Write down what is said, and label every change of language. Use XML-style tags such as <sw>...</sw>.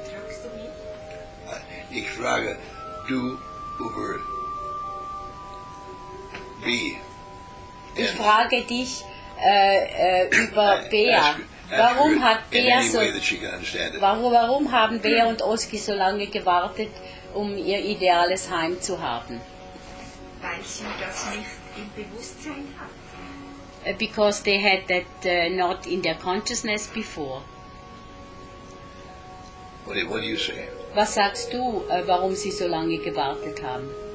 <de>Fragst du mich? Ich frage, du über B. Ich frage dich über Bea. Warum haben Bea und Oski so lange gewartet, um ihr ideales Heim zu haben? Weil sie das nicht im Bewusstsein hatten.</de> <en>Because they had that not in their consciousness before. What do you say?</en> <de>Was sagst du, warum sie so lange gewartet haben?</de>